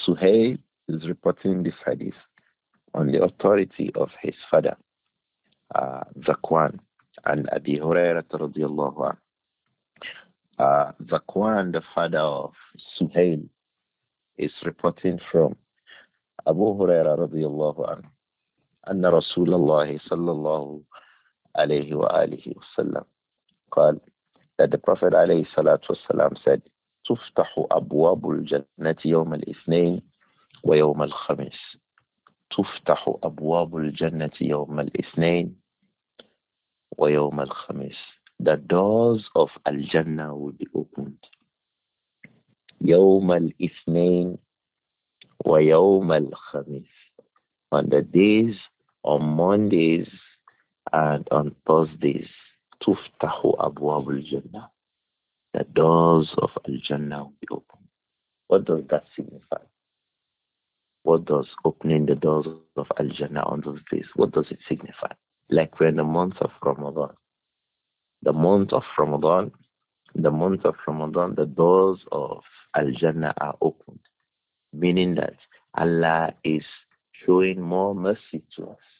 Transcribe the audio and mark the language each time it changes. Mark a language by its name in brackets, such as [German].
[English] Suhail is reporting this hadith on the authority of his father, Zakwan, and Abi Hurairah radiallahu anhu. Zakwan, the father of Suhail, is reporting from Abu Hurairah radiallahu anhu. [Arabic] أن رسول الله صلى الله عليه وآله وسلم قال [English] that the Prophet [Arabic] عليه الصلاة والسلام [English] said [Arabic] تفتح أبواب الجنة يوم الاثنين ويوم الخميس تفتح أبواب الجنة يوم الاثنين ويوم الخميس [English] the doors of Al-Jannah will be opened [Arabic] يوم الاثنين ويوم الخميس [English] on the days on Mondays and on Thursdays, [Arabic] Tuftahu Abwab al-Jannah, [English] the doors of Al-Jannah will be open. What does that signify? What does opening the doors of Al-Jannah on those days, what does it signify? Like we're in the month of Ramadan. The month of Ramadan, the doors of Al-Jannah are opened, meaning that Allah is showing more mercy to us.